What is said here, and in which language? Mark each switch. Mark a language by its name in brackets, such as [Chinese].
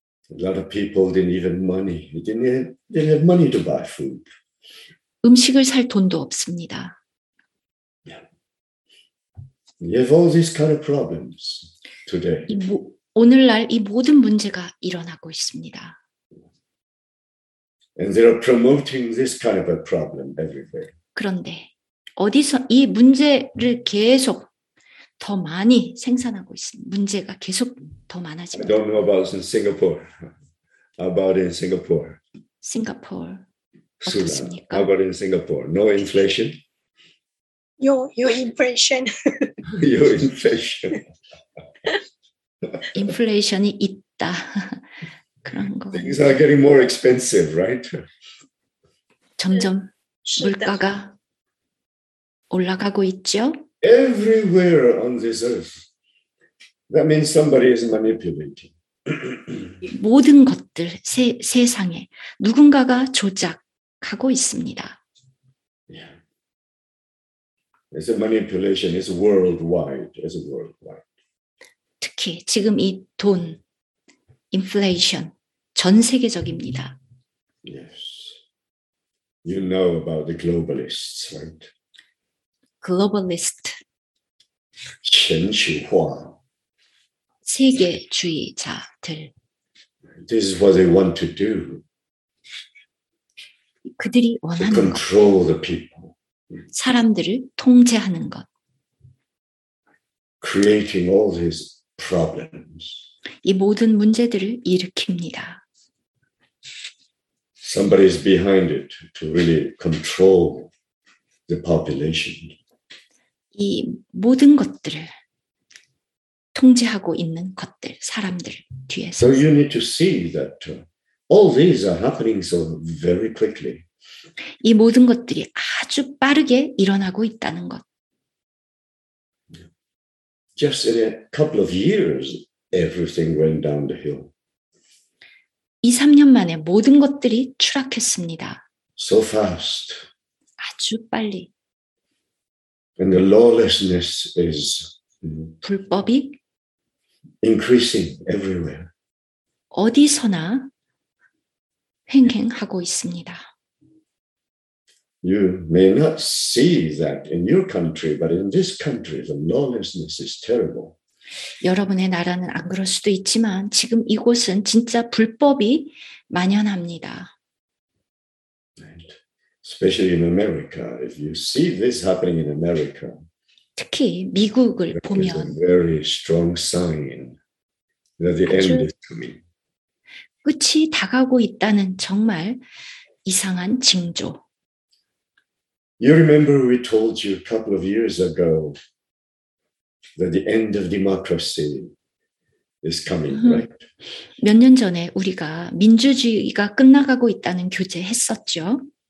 [English] A lot of people didn't even money. They didn't have money to buy food. [Korean] 음식을 살 돈도 없습니다. Yeah. [English] You have all these kind of problems today. [Korean] 오늘날 이 모든 문제가 일어나고 있습니다. [English] And they are promoting this kind of a problem everywhere. [Korean] 그런데 어디서 이 문제를 계속 더 많이 생산하고 있습니다. 문제가 계속 더 많아집니다. [English] I don't know about in Singapore. About in Singapore. [Korean] Singapore. 어떻습니까? [English] How about in Singapore? No inflation? Your inflation. Your inflation. [Korean] Inflation이 있다. 그런 거. [English] Things are getting more expensive, right? [Korean] 점점 물가가 올라가고 있죠. [English] Everywhere on this earth. That means somebody is manipulating. [Korean] 모든 것들 세상에 누군가가 조작 하고 있습니다. [English] Yeah. It's a manipulation. It's worldwide. It's worldwide. [Korean] 특히 지금 이 돈, inflation, 전 세계적입니다. [English] Yes. You know about the globalists, right? Globalist. [Korean] 신주화. 세계주의자들. [English] This is what they want to do. [Korean] 그들이 원하는 [English] to control the people. [Korean] 사람들을 통제하는 것. [English] Creating all these problems. [Korean] 이 모든 문제들을 일으킵니다. [English] Somebody is behind it to really control the population. [Korean] 이 모든 것들을 통제하고 있는 것들, 사람들 뒤에서. [English] So you need to see that all these are happening so very quickly. [Korean] 이 모든 것들이 아주 빠르게 일어나고 있다는 것. [English] Just in a couple of years, everything went down the hill. [Korean] 2-3년 만에 모든 것들이 추락했습니다. [English] So fast. [Korean] 아주 빨리. [English] And the lawlessness is [Korean] 불법이 [English] increasing everywhere. [Korean] 어디서나 횡행하고 있습니다. [English] You may not see that in your country, but in this country, the lawlessness is terrible. [Korean] 여러분의 나라는 안 그럴 수도 있지만 지금 이곳은 진짜 불법이 만연합니다. [English] Right. Especially in America, if you see this happening in America, [Korean] 특히 미국을 보면 [English] a very strong sign that the end is coming. [Korean] 끝이 다가오고 있다는 정말 이상한 징조. [English] You remember we told you a couple of years ago that the end of democracy is coming, right? [Korean] 몇 년 전에 우리가 민주주의가 끝나가고 있다는 교제 했었죠.